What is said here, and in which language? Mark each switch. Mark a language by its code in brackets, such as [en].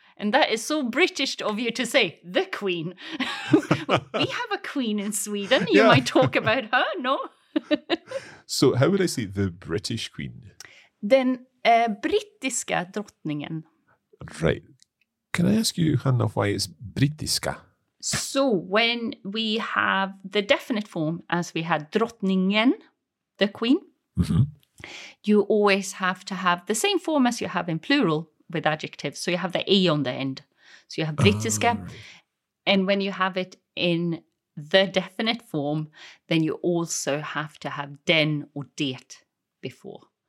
[en] And that is so British of you to say, the queen. We have a queen in Sweden. You might talk about her, no? So, how would I say the British queen? [sv] Den brittiska drottningen. [en] Right. Can I ask you, Hanna, why it's brittiska? So when we have the definite form, as we had drottningen, the queen, you always have to have the same form as you have in plural with adjectives. So you have the e on the end. So you have brittiska. And when you have it in the definite form, then you also have to have den or det before.